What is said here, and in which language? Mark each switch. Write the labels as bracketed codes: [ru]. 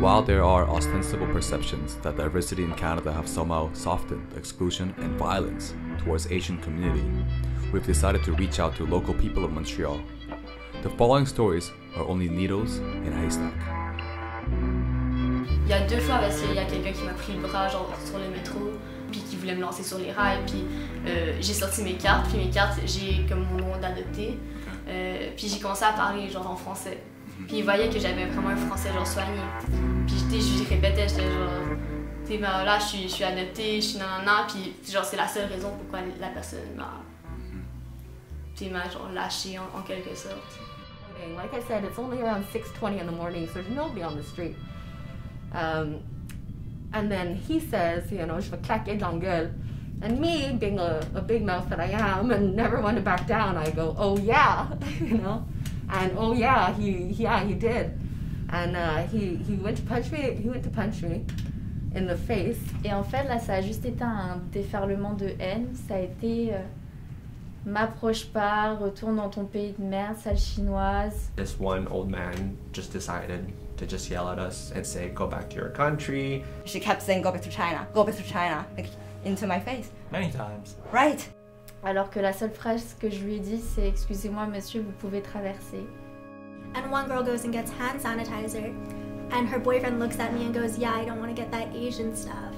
[en] While there are ostensible perceptions that diversity in Canada have somehow softened exclusion and violence towards Asian community, we've decided to reach out to local people of Montreal. The following stories are only needles in a haystack. [fr] Il y a deux fois parce qu'il y a quelqu'un qui m'a pris le bras genre sur le métro puis qui voulait me lancer sur les rails puis j'ai sorti mes cartes puis mes cartes j'ai comme mon nom d'adopté. Puis j'ai commencé à parler genre en français. Puis ils voyaient que j'avais vraiment un français genre soigné. Puis je lui répétais, j'étais genre, tu sais, ben là, je suis adoptée, je suis nanana. Puis genre, c'est la seule raison pourquoi la personne m'a genre lâchée en quelque sorte. [en] Okay, like I said, it's only around 6:20 in the morning, so there's nobody on the street. And then he says, you know, [fr] je vais claquer dans la gueule. [en] And me, being a big mouth that I am, and never want to back down, I go, oh yeah, you know? And oh yeah, he did. And he went to punch me in the face. [fr] Et en fait, là, ça a juste été un déferlement de haine. Ça a été, m'approche pas, retourne dans ton pays de merde, sale chinoise. [en] This one old man just decided to just yell at us and say, go back to your country. She kept saying, go back to China. Into my face. Many times. Right. [fr] Alors que la seule phrase que je lui ai dit, c'est excusez-moi monsieur, vous pouvez traverser. [en] And one girl goes and gets hand sanitizer, and her boyfriend looks at me and goes, yeah, I don't want to get that Asian stuff.